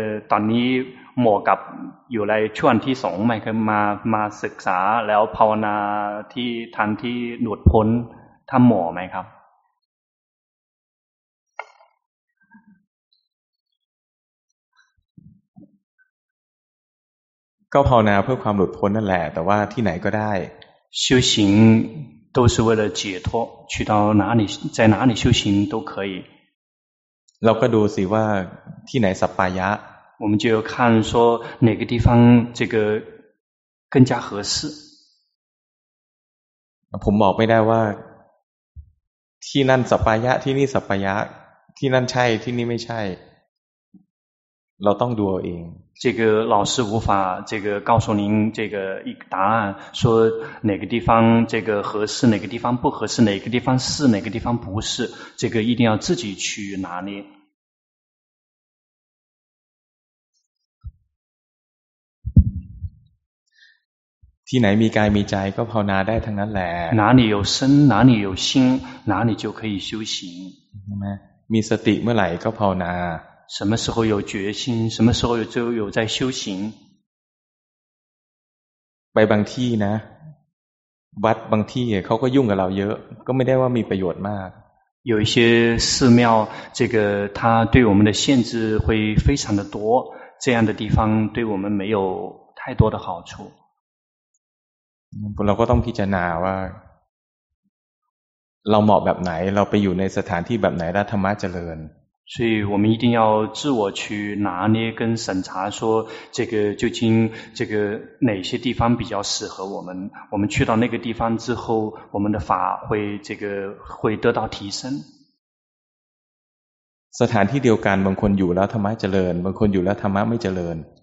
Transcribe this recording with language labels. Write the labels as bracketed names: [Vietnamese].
[Thai] ตอนนี้เหมาะกับอยู่ในช่วงที่สองไหมคือมาศึกษาแล้วภาวนาที่ทันที่หลุดพ้นท่านเหมาะไหมครับ ก็ภาวนาเพื่อความหลุดพ้นนั่นแหละแต่ว่าที่ไหนก็ได้ [Chinese] 修行都是为了解脱去到哪里在哪里修行都可以 [Thai] เราก็ดูสิว่าที่ไหนสัปปายะ [Chinese] 我们就要看说哪个地方这个更加合适 [Thai] ผมบอกไม่ได้ว่าที่นั่นสัปปายะที่นี่สัปปายะที่นั่นใช่ที่นี่ไม่ใช่เราต้องดูเอง [Chinese] 这个老师无法这个告诉您这个一个答案说哪个地方这个合适哪个地方不合适哪个地方是哪个地方不是这个一定要自己去拿捏 [Thai] ที่ไหนมีกายมีใจก็ภาวนาได้ทั้งนั้นแหละ [Chinese] 哪里有身哪里有心哪里就可以修行 [Thai] มีสติเมื่อไหร่ก็ภาวนา [Chinese] 什么时候有决心什么时候就有在修行 [Thai] ไปบางที่นะวัดบางที่เขาก็ยุ่งกับเราเยอะก็ไม่ได้ว่ามีประโยชน์มาก [Chinese] 有一些寺庙这个它对我们的限制会非常的多这样的地方对我们没有太多的好处 [Thai] เราก็ต้องพิจารณาว่าเราเหมาะแบบไหนเราไปอยู่ในสถานที่แบบไหนแล้วธรรมะเจริญ [Chinese] 所以我们一定要自我去拿捏跟审查说这个究竟这个哪些地方比较适合我们我们去到那个地方之后我们的法会这个会得到提升 [Thai] สถานที่เดียวกันบางคนอยู่แล้วธรรมะเจริญบางคนอยู่แล้วธรรมะไม่เจริญ